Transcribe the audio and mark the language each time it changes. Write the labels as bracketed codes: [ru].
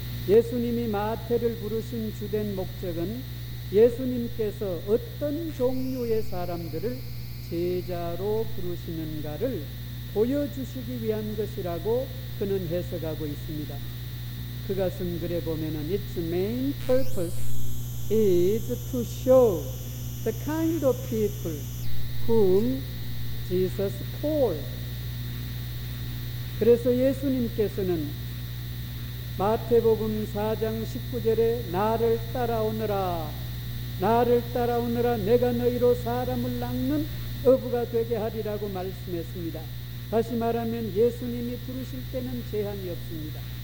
[ko] 예수님이 마태를 부르신 주된 목적은 예수님께서 어떤 종류의 사람들을 제자로 부르시는가를 보여주시기 위한 것이라고 그는 해석하고 있습니다. 그가 쓴 글에 보면 [en] It's main purpose is to show the kind of people whom Jesus called. [ko] 그래서 예수님께서는 마태복음 4장 19절에 나를 따라오너라, 나를 따라오너라, 내가 너희로 사람을 낚는 어부가 되게 하리라고 말씀했습니다. 다시 말하면 예수님이 부르실 때는 제한이 없습니다.